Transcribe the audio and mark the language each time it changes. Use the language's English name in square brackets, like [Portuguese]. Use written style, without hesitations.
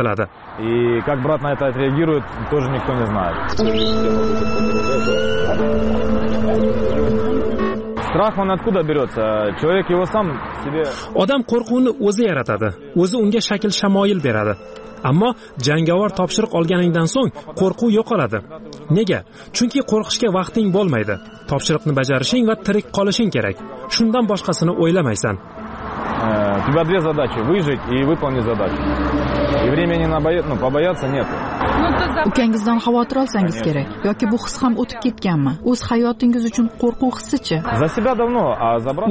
[Russian] И как брат на это отреагирует, тоже никто не знает. Страх он откуда берётся? Человек его сам себе. [Uzbek] Odam qo'rquvni o'zi yaratadi. O'zi unga shakl shamoil beradi. Ammo jangovar topshiriq olganingdan so'ng qo'rquv yo'qoladi. Nega? Chunki qo'rqishga vaqting bo'lmaydi. Topshiriqni bajarishing va tirik qolishing kerak. Shundan boshqasini o'ylamaysan. [Russian] У тебя две задачи: выжить и выполнить задачу. И времени на побояться нет. [Uzbek] Ukangizdan xavotir olsangiz kerak yoki bu his ham o'tib ketganmi? O'z hayotingiz uchun qo'rquv hissichi? [Russian] За себя давно, а за брата?